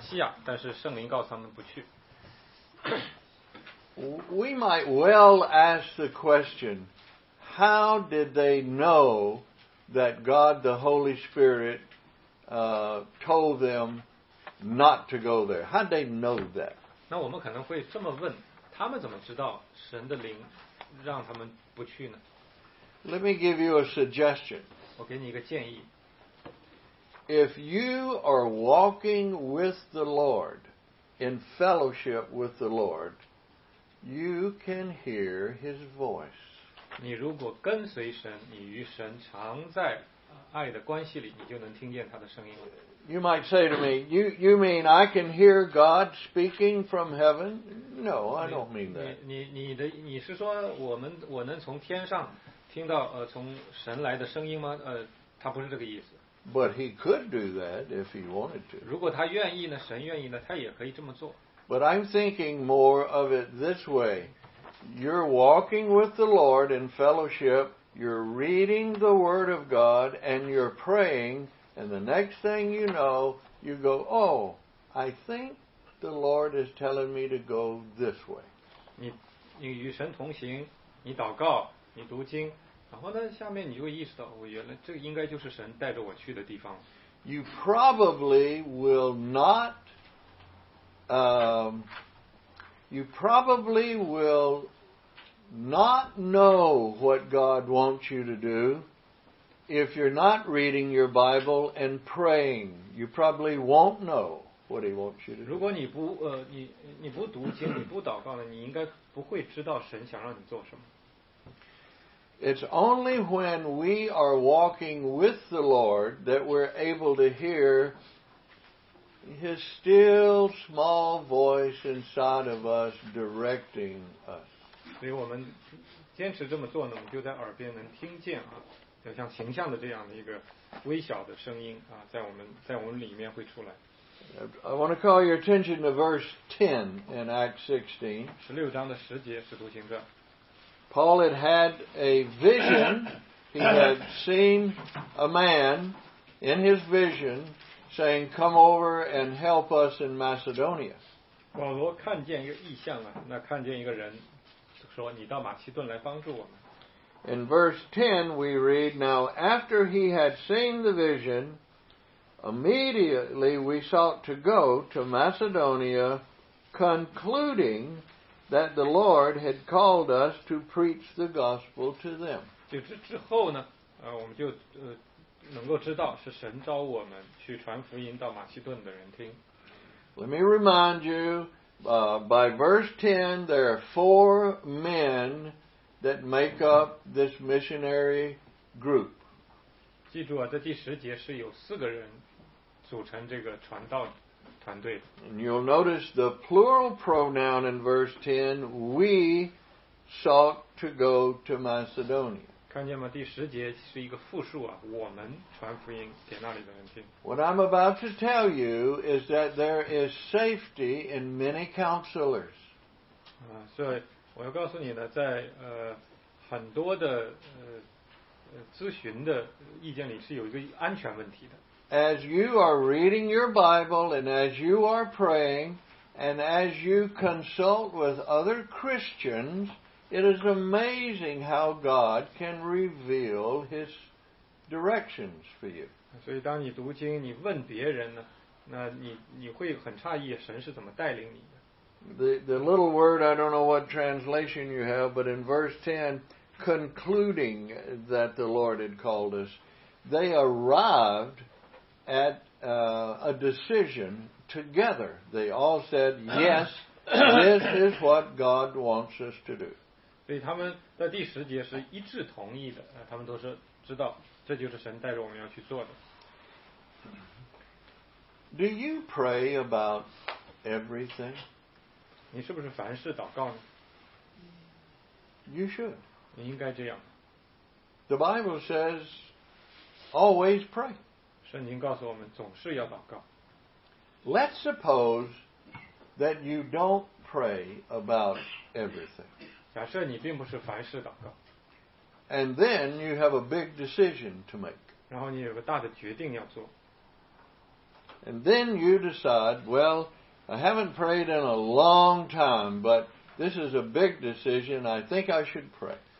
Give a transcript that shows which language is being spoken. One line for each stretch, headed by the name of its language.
Chinese: 在这个特罗亚这个地方呢，本来他们的目的呢是往右走，去到亚细亚，但是圣灵告诉他们不去。
English: We might well ask the question, how did they know that God the Holy Spirit told them not to go there? How'd they know that?
Chinese: 那我们可能会这么问，他们怎么知道神的灵让他们不去呢？
English: Let me give you a suggestion.
Chinese: 我给你一个建议。
English: If you are walking with the Lord, in fellowship with the Lord, you can hear His voice.
Chinese: 你如果跟随神，你与神常在爱的关系里，你就能听见他的声音了。
English: You might say to me, you mean I can hear God speaking from heaven? No, I don't mean that.
Chinese: 你是说我能从天上听到从神来的声音吗？他不是这个意思。
English: But he could do that if he wanted to.
Chinese: 如果他愿意呢，神愿意呢，他也可以这么做。
English: But I'm thinking more of it this way. You're walking with the Lord in fellowship. You're reading the Word of God and you're praying. And the next thing you know, you go, "Oh, I think the Lord is telling me to go this way."
Chinese: 你与神同行，你祷告，你读经，然后呢，下面你就会意识到，我原来这应该就是神带着我去的地方。
English: You probably will not. You probably will not know what God wants you to do if you're not reading your Bible and praying. You probably won't know what He wants you to do.
Chinese: 如果你不读经，你不祷告了，你应该不会知道神想让你做什么。
English: It's only when we are walking with the Lord that we're able to hear. His still small voice inside of us directing us.
Chinese: 所以我们坚持这么做呢，我们就在耳边能听见啊，就像形象的这样的一个微小的声音啊，在我们里面会出来。
English: I want to call your attention to verse 10 in Acts 16.
Chinese: 十六章的十节，《使徒行传》。
English: Paul had had a vision. He had seen a man in his vision. Saying, "Come over and help us in Macedonia."
Chinese: 保罗看见一个异象啊，那看见一个人，说你到马其顿来帮助我们。
English: In verse 10, we read, "Now after he had seen the vision, immediately we sought to go to Macedonia, concluding that the Lord had called us to preach the gospel to them."
Chinese: 就这之后呢，我们就能够知道是神召我们去传福音到马其顿的人听。
English: Let me remind you, by verse 10, there are four men that make up this missionary group.
Chinese: 记住啊，在第十节是有四个人组成这个传道团队。
English: And you'll notice the plural pronoun in verse 10, we sought to go to Macedonia.
Chinese: 看见吗？第十节是一个复数啊，我们传福音给那里的人听。
English: What I'm about to tell you is that there is safety in many counselors.
Chinese: 所以我要告诉你呢，在很多的咨询的意见里是有一个安全问题的。
English: As you are reading your Bible and as you are praying and as you consult with other Christians. It is amazing how God can reveal His directions for you.
Chinese: 所以当你读经，你问别人呢，那你会很诧异，神是怎么带领你的。
English: The little word, I don't know what translation you have, but in verse 10, concluding that the Lord had called us, they arrived at a decision together. They all said, yes, this is what God wants us to do.
Chinese: 所以他们在第十节是一致同意的，他们都是知道这就是神带着我们要去做的。
English: Do you pray about everything?
Chinese: 你是不是凡事祷告呢？
English: You should.
Chinese: 你应该这样。
English: The Bible says, always pray.
Chinese: 圣经告诉我们总是要祷告。
English: Let's suppose that you don't pray about everything.
Chinese: 假设你并不是凡事祷告。
English: And then you have a big decision to make.
Chinese: 然后你有个大的决定要做。
English: And then you decide, well, I haven't prayed in a long time, but this is a big decision, I think I should pray.